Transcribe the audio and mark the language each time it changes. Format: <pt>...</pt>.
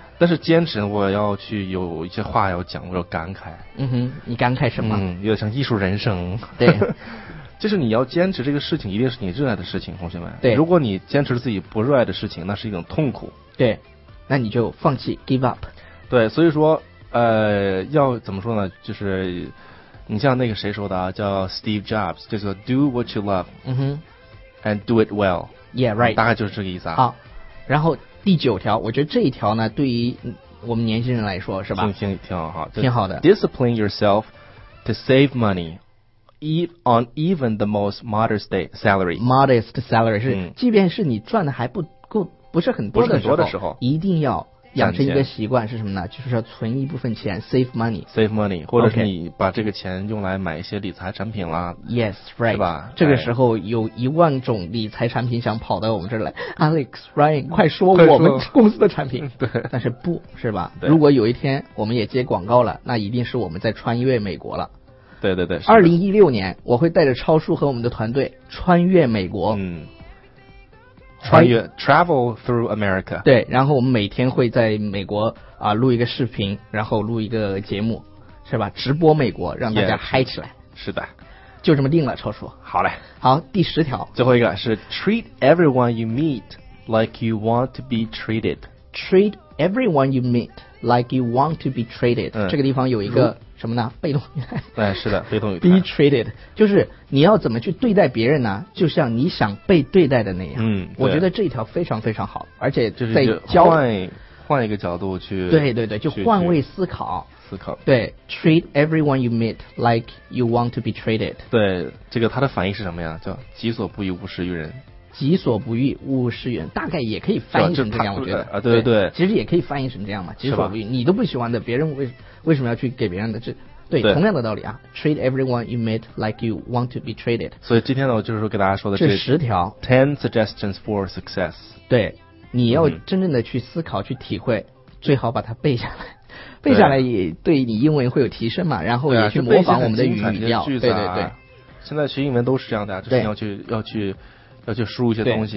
<zh>但是坚持，我要去有一些话要讲，我要感慨。嗯哼，你感慨什么？嗯，有点像艺术人生。对，就是你要坚持这个事情，一定是你热爱的事情，同学们。对，如果你坚持自己不热爱的事情，那是一种痛苦。对，那你就放弃 ，</zh> <en>give up。</en> <zh>对，所以说，要怎么说呢？就是。你像那个谁说的啊，叫 Steve Jobs， 就说</zh> <en>Do what you love，</en> <zh>嗯哼</zh> <en>，and do it well， yeah right，</en> <zh>大概就是这个意思啊。好，然后第九条，我觉得这一条呢，对于我们年轻人来说是吧，挺好，挺好的。</zh> <en>Discipline yourself to save money， on even the most modest salary。</en> <zh>modest salary 是，即便是你赚的还不够，不是很多的时候，不是很多的时候，一定要。养成一个习惯是什么呢？就是要存一部分钱 ，</zh> <en>save money。 save money，</en> <zh>或者是你把这个钱用来买一些理财产品啦。</zh> <en>Okay. Yes, right。</en> <zh>是吧？这个时候有一万种理财产品想跑到我们这儿来 ，Alex, Ryan， 快说我们公司的产品。对。但是不是吧？如果有一天我们也接广告了，那一定是我们在穿越美国了。对对对。 2016年，我会带着超叔和我们的团队穿越美国。嗯。穿越</zh> <en>travel through America，</en> <zh>对，然后我们每天会在美国啊录一个视频，然后录一个节目，是吧，直播美国，让大家嗨起来。 yeah， 是的，就这么定了，超叔。好嘞，好，第十条，最后一个是</zh> <en>treat everyone you meet like you want to be treated。 treat everyone you meet like you want to be treated、</en> <zh>嗯、这个地方有一个什么呢，被动语态。对，是的，被动语态。 Be treated 就是你要怎么去对待别人呢，就像你想被对待的那样。嗯，我觉得这一条非常非常好，而且在教换一个角度去，对对对，就换位思考，思考，对，</zh> <en>treat everyone you meet like you want to be treated。</en> <zh>对，这个它的反义是什么呀，叫己所不欲勿施于人。己所不欲勿施于人，大概也可以翻译成这样，啊、我觉得啊，对对对， 对，其实也可以翻译成这样嘛，己所不欲，你都不喜欢的，别人为什么要去给别人的？这 对，对，同样的道理啊</zh> <en>，treat everyone you meet like you want to be treated。</en> <zh>所以今天呢，我就是说给大家说的这十条</zh> <en>，10 suggestions for success。</en> <zh>对，你要真正的去思考、去体会，最好把它背下来。背下来也对你英文会有提升嘛，然后也去模仿我们的语调，对、啊、对、啊、对， 对。现在学英文都是这样的、啊，就是要去输入一些东西。</zh>